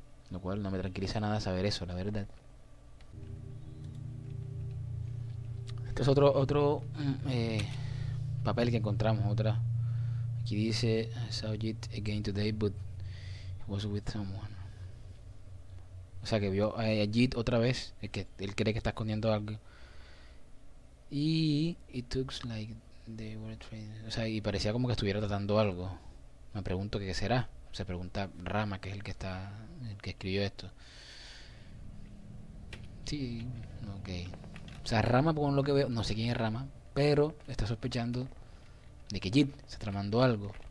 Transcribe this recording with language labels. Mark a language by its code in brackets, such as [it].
[es] Lo cual no me tranquiliza nada saber eso, la verdad. Es otro papel que encontramos, otra. Aquí dice, [en] I saw it again today, but it was with someone. [es] O sea que vio a Jit otra vez, es que él cree que está escondiendo algo. Y [en] it looks like they were trading. [es] O sea, y parecía como que estuviera tratando algo. Me pregunto qué será. Se pregunta Rama, que es el que escribió esto. Sí, ok. O sea, Rama, por lo que veo, no sé quién es Rama, pero está sospechando de que Jit está tramando algo.